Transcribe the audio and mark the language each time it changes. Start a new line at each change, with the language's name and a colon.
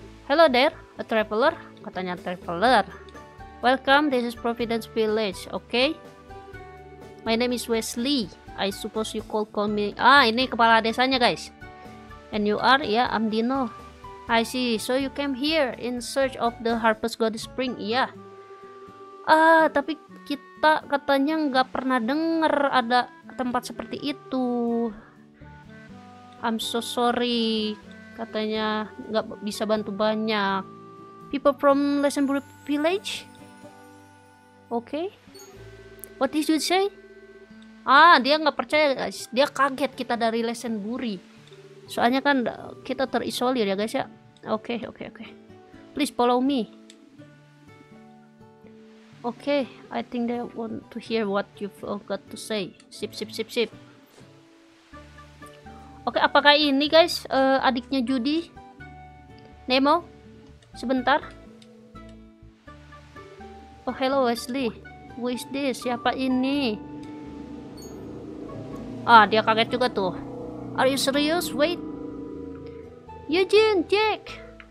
English: Hello there, a traveler.
Indonesian: Katanya traveler.
English: Welcome, this is Providence Village. Okay. My name is Wesley. I suppose you could call me.
Indonesian: Ah, ini kepala desanya, guys.
English: And you are? Yeah, I'm Dino. I see. So you came here in search of the Harvest Goddess Spring. Yeah.
Indonesian: Ah, tapi kita katanya nggak pernah dengar ada tempat seperti itu.
English: I'm so sorry.
Indonesian: Katanya nggak bisa bantu banyak.
English: People from Lesenbury Village. Okay. What did you say?
Indonesian: Ah, dia nggak percaya guys. Dia kaget kita dari Lesenbury. Soalnya kan kita terisolir ya guys ya.
English: Okay, okay, okay. Please follow me. Okay, I think they want to hear what you've got to say.
Indonesian: Sip, sip, sip, sip. Oke, okay, apakah ini guys adiknya Judy? Nemo? Sebentar.
English: Oh, hello Wesley. Who is this?
Indonesian: Siapa ini? Ah, dia kaget juga tuh.
English: Are you serious? Wait.
Indonesian: Eugene, Jack.